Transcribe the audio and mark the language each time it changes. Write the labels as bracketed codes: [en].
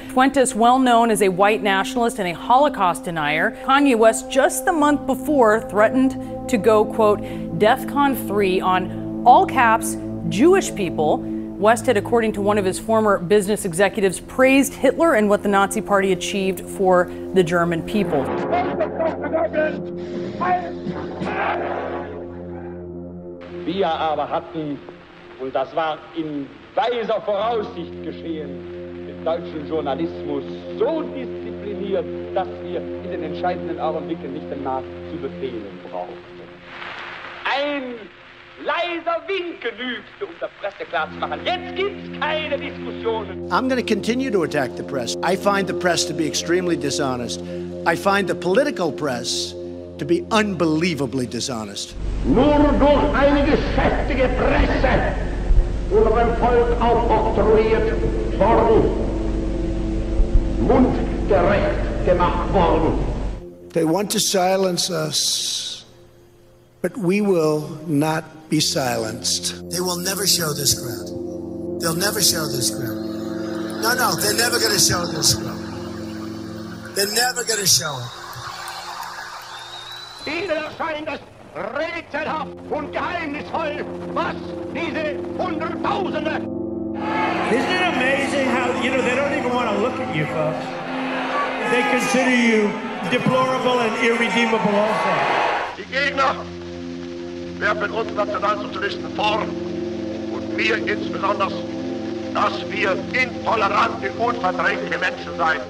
[en] Fuentes, well known as a white nationalist and a Holocaust denier, Kanye West just the month before threatened to go, quote, DEFCON 3 on all caps, Jewish people. West had, according to one of his former business executives, praised Hitler and what the Nazi Party achieved for the German people. [de] Wir aber hatten, und das war in weiser Voraussicht geschehen, den deutschen Journalismus so diszipliniert, dass wir in den entscheidenden Augenblicken nicht den Nazi zu befehlen brauchten. Ein leiser Wink genügt, um der Presse klarzumachen. Jetzt gibt's keine Diskussionen. [en] I'm going to continue to attack the press. I find the press to be extremely dishonest. I find the political press to be unbelievably dishonest. [de] Nur durch eine geschäftige Presse wurde beim Volk aufoktroyiert worden, mundgerecht gemacht worden. [en] They want to silence us, but we will not be silenced. They will never show this crowd. They'll never show this crowd. No, no, they're never going to show this crowd. They're never going to show it. [de] Ihnen erscheint es rätselhaft und geheimnisvoll, was diese Hunderttausende. [en] Isn't it amazing how, you know, they don't even want to look at you, folks. They consider you deplorable and irredeemable also. [de] Die Gegner werfen uns Nationalsozialisten vor, und wir insbesondere, dass wir intolerante, unverträgliche Menschen seien.